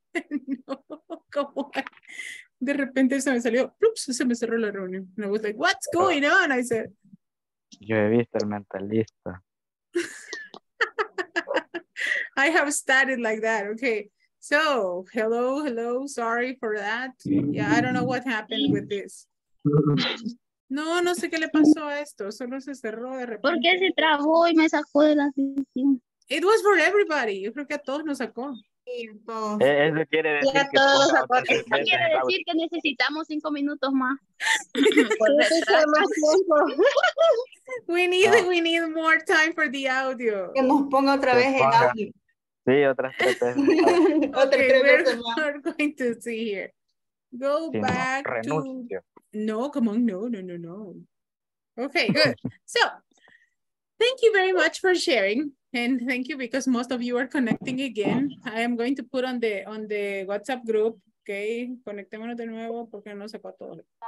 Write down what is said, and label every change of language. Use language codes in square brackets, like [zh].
[es] No, ¿cómo? De repente se me salió, ups, se me cerró la reunión. [en] And I was like, what's going on? I said. [es] Yo he visto el mentalista. [en] I have started like that, okay. So, hello, hello, sorry for that. Yeah, I don't know what happened with this. [es] No, no sé qué le pasó a esto. Solo se cerró de repente. ¿Por qué se trabó y me sacó de la sesión? [en] It was for everybody. [es] Yo creo que a todos nos sacó. Eso quiere decir, a todos que, eso quiere decir que necesitamos 5 minutos más. [en] We need more time for the audio. [es] Que nos ponga otra vez el audio. Sí, otras tres veces. [en] Okay, we're going to see here. Go sí, back no, to... No, come on, no. Okay, good. So, thank you very much for sharing. And thank you because most of you are connecting again. I am going to put on the WhatsApp group. [es] Okay, conectémonos de nuevo porque no sepa todo.